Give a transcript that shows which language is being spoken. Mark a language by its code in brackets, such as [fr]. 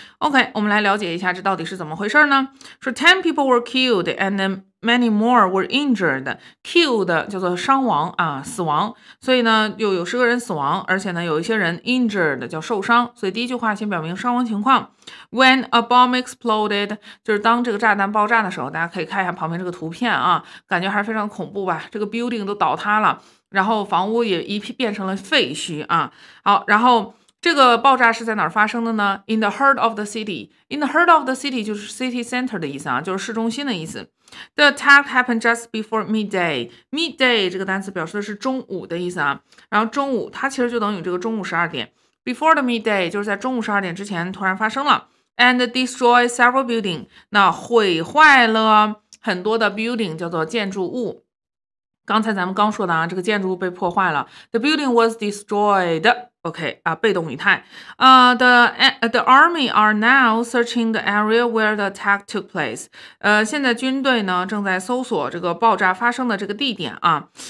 [zh] OK， 我们来了解一下这到底是怎么回事呢？说 [en] ten people were killed and many more were injured。 [zh] killed 叫做伤亡啊，死亡。所以呢，又有十个人死亡，而且呢，有一些人 injured 叫受伤。所以第一句话先表明伤亡情况。 [en] When a bomb exploded， [zh] 就是当这个炸弹爆炸的时候，大家可以看一下旁边这个图片啊，感觉还是非常恐怖吧？这个 building 都倒塌了，然后房屋也一变成了废墟啊。好，然后这个爆炸是在哪儿发生的呢？ [en] In the heart of the city。 In the heart of the city 就是 city center 的意思啊， [zh] 就是市中心的意思。 [en] The attack happened just before midday。 [zh] midday 这个单词表示的是中午的意思啊，然后中午它其实就等于这个中午十二点。 [en] Before the midday [zh] 就是在中午十二点之前突然发生了。 [en] And destroy several building， [zh] 那毁坏了很多的 building 叫做建筑物。刚才咱们刚说的啊，这个建筑物被破坏了。 [en] The building was destroyed。 OK 啊， [zh] 被动语态。 [en] The army are now searching the area where the attack took place。 [zh] 现在军队呢正在搜索这个爆炸发生的这个地点啊。